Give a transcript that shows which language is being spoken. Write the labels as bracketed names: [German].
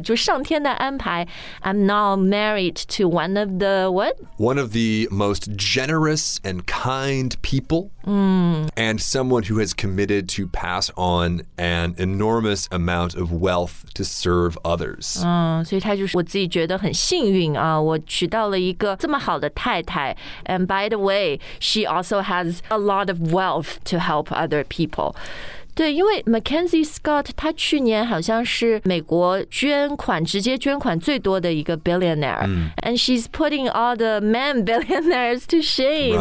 [Chinese] 就上天的安排。 [English] I'm now married to one of the what? One of the most generous and kind people. And someone who has committed to pass on an enormous amount of wealth to serve others. [Chinese] 所以他就是我自己觉得很幸运啊，我娶到了一个这么好的太太。 [English] And by the way, she also has a lot of wealth to help other people. [Chinese] 对，因为 Mackenzie Scott 他去年好像是美国捐款直接捐款最多的一个 billionaire. [English] And she's putting all the man billionaires to shame.